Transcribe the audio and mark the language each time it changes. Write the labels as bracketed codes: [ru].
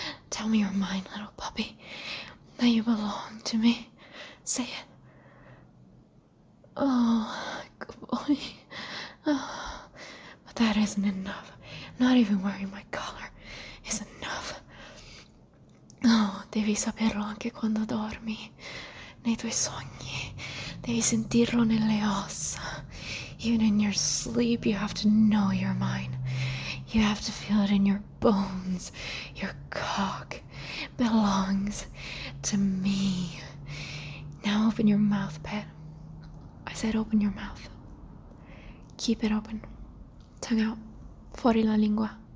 [en] Tell me you're mine, little puppy. That you belong to me. Say it. Oh, good boy. Oh, but that isn't enough. Not even wearing my collar is enough. [it] Oh, devi saperlo anche quando dormi. Nei tuoi sogni. Devi sentirlo nelle ossa. [en] Even in your sleep, you have to know you're mine. You have to feel it in your bones. Your cock belongs to me. Now open your mouth, pet. I said open your mouth. Keep it open. Tongue out. [it] Fuori la lingua.